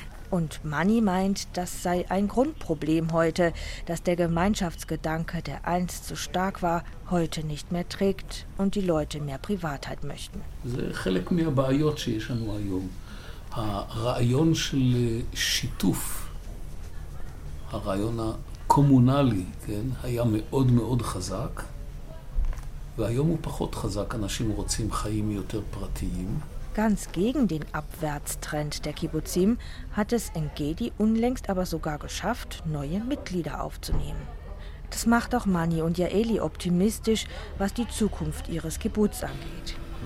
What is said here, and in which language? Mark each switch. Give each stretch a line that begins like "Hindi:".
German: Und Mani meint, das sei ein Grundproblem heute, dass der Gemeinschaftsgedanke, der einst so stark war, heute nicht mehr trägt und die Leute mehr Privatheit möchten.
Hebrew: זה חלק מהבעיות שיש לנו היום. הרעיון של שיתוף, הרעיון הקומונלי, כן, היה מאוד מאוד חזק, והיום הוא פחות חזק, אנשים רוצים חיים יותר פרטיים.
German: Ganz gegen den Abwärtstrend der Kibbutzim hat es Engedi unlängst aber sogar geschafft, neue Mitglieder aufzunehmen. Das macht auch Mani und Ya'eli optimistisch, was die Zukunft ihres Kibbutz angeht.